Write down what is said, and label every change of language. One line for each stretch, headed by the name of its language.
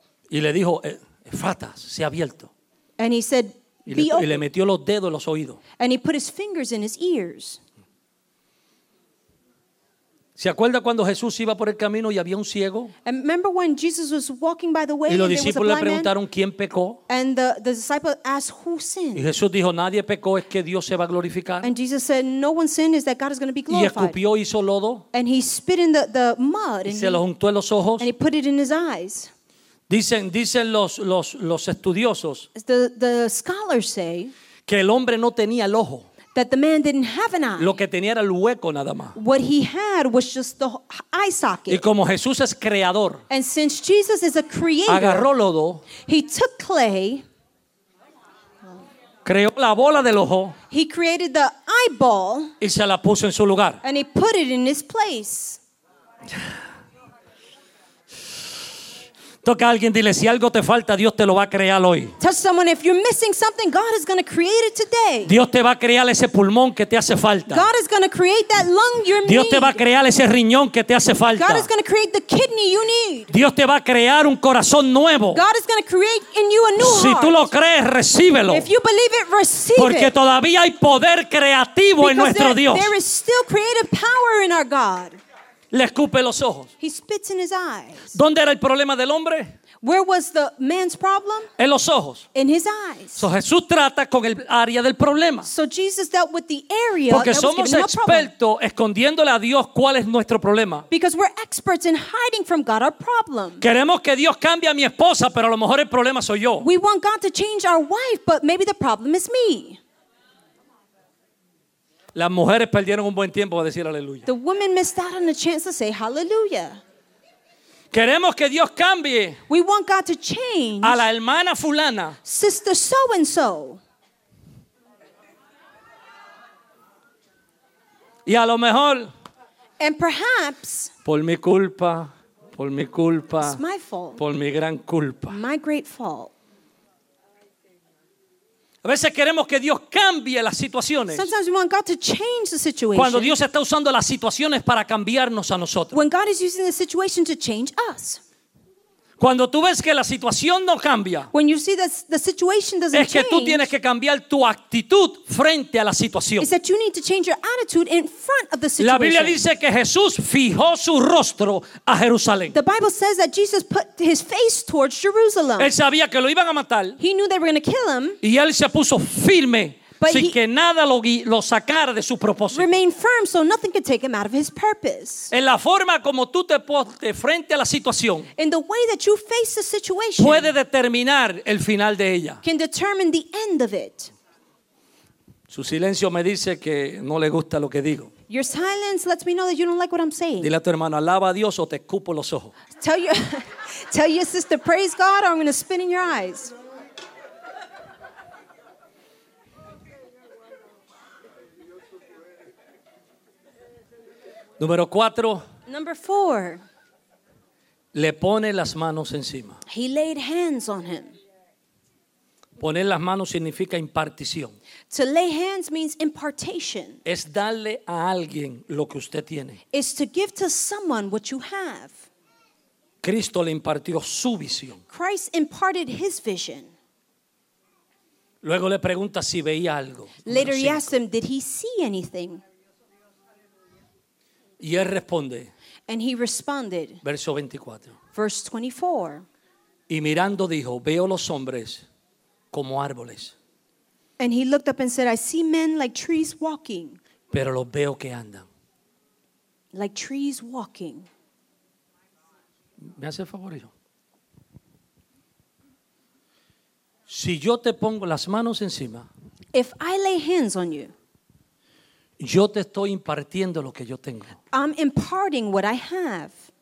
Spanish: Y le dijo, Efrata, se ha abierto.
English: And he said,
Spanish: y le metió los dedos en los oídos.
English: And he put his fingers in his ears.
Spanish: ¿Se acuerda cuando Jesús iba por el camino y había un ciego?
English: And remember when Jesus was walking by the way
Spanish: y los discípulos le preguntaron quién pecó?
English: And the disciple asked who sinned.
Spanish: Y Jesús dijo, nadie pecó, es que Dios se va a glorificar.
English: And Jesus said, no one sinned, is that God is going to be glorified.
Spanish: Y escupió, hizo lodo.
English: And he spit in the mud.
Spanish: Y se lo untó en los ojos.
English: And he put it in his eyes.
Spanish: Dicen los estudiosos
English: the scholars say
Spanish: que el hombre no tenía el ojo.
English: That the man didn't have an eye.
Spanish: Lo que tenía era el hueco nada más.
English: What he had was just the eye socket.
Spanish: Y como Jesús es creador,
English: and since Jesus is a creator,
Spanish: agarró lodo,
English: he took clay,
Spanish: creó la bola del ojo,
English: he created the eyeball,
Spanish: y se la puso en su lugar.
English: And he put it in his place.
Spanish: Toca a alguien, dile, si algo te falta, Dios te lo va a crear hoy.
English: Touch someone, if you're missing something, God is going to create it today.
Spanish: Dios te va a crear ese pulmón que te hace falta.
English: God is going to create that lung you need.
Spanish: Dios te va a crear ese riñón que te hace falta.
English: God is going to create the kidney you need.
Spanish: Dios te va a crear un corazón nuevo.
English: God is going to create in you a new heart.
Spanish: Si tú lo crees, recíbelo.
English: If you believe it, receive it.
Spanish: Porque todavía hay poder creativo en nuestro Dios.
English: Because there is still creative power in our God.
Spanish: Le escupe los ojos.
English: He spits in his eyes.
Spanish: ¿Dónde era el problema del hombre?
English: Where was the man's problem?
Spanish: En los ojos.
English: In his eyes.
Spanish: So Jesús trata con el área del problema.
English: So Jesus dealt with the area.
Spanish: Porque somos expertos escondiéndole a Dios cuál es nuestro problema.
English: Because we're experts in hiding from God our problem.
Spanish: Queremos que Dios cambie a mi esposa, pero a lo mejor el problema soy yo.
English: We want God to change our wife, but maybe the problem is me.
Spanish: Las mujeres perdieron un buen tiempo para decir aleluya.
English: The women missed out on a chance to say hallelujah.
Spanish: Queremos que Dios cambie.
English: We want God to change.
Spanish: A la hermana fulana.
English: Sister so and so.
Spanish: Y a lo mejor.
English: And perhaps.
Spanish: Por mi culpa.
English: It's my fault.
Spanish: Por mi gran culpa.
English: My great fault.
Spanish: A veces queremos que Dios cambie las situaciones.
English: Sometimes we want God to change the situation.
Spanish: Cuando Dios está usando las situaciones para cambiarnos a nosotros.
English: When God is using the situation to change us.
Spanish: Cuando tú ves que la situación no cambia,
English: when you see the situation doesn't
Spanish: es que
English: change,
Spanish: tú tienes que cambiar tu actitud frente a la situación.
English: Is that you need to change your attitude in front of the situation.
Spanish: La Biblia dice que Jesús fijó su rostro a Jerusalén.
English: The Bible says that Jesus put his face towards Jerusalem.
Spanish: Él sabía que lo iban a matar.
English: He knew they were going to kill him.
Spanish: Y él se puso firme. Así que nada lo sacara de su propósito.
English: Remain firm so nothing could take him out of his purpose.
Spanish: En la forma como tú te portes frente a la situación.
English: In the way that you face the situation.
Spanish: Puede determinar el final de ella.
English: Can determine the end of it.
Spanish: Su silencio me dice que no le gusta lo que digo.
English: Your silence lets me know that you don't like what I'm saying.
Spanish: Dile a tu hermano, alaba a Dios o te escupo los ojos.
English: Tell your sister, praise God, or I'm going to spit in your eyes.
Spanish: Número cuatro.
English: Number four.
Spanish: Le pone las manos encima.
English: He laid hands on him.
Spanish: Poner las manos significa impartición.
English: To lay hands means impartation.
Spanish: Es darle a alguien lo que usted tiene.
English: It's to give to someone what you have.
Spanish: Cristo le impartió su visión.
English: Christ imparted his vision.
Spanish: Luego le pregunta si veía algo.
English: Later he asked him, did he see anything?
Spanish: Y él responde.
English: And he responded.
Spanish: Verso 24.
English: Verse 24.
Spanish: Y mirando dijo, veo los hombres como árboles.
English: And he looked up and said, I see men like trees walking.
Spanish: Pero los veo que andan.
English: Like trees walking.
Spanish: ¿Me hace el favor eso? Si yo te pongo las manos encima.
English: If I lay hands on you.
Spanish: Yo te estoy impartiendo lo que yo tengo.
English: I'm imparting what I have.